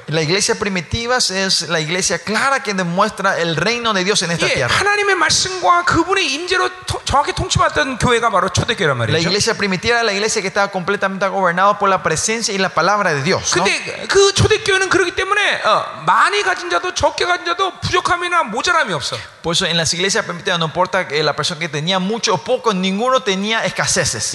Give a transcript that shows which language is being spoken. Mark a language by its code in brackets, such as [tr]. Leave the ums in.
[es] La iglesia primitiva es la iglesia clara que demuestra el reino de Dios en esta 예, tierra. [ko] 하나님의 말씀과 그분의 임재로 토, 정확히 통치받던 교회가 바로 초대교회란 말이죠. [es] La iglesia primitiva era la iglesia que estaba completamente gobernada por la presencia y la palabra de Dios, 근데 no? [ko] 그 초대교회는 그렇기 때문에 어, 많이 가진 자도 적게 가진 자도 부족함이나 모자람이 없어. [es] Pues en la iglesia primitiva no importa la persona que tenía mucho o poco, ninguno tenía escaseces.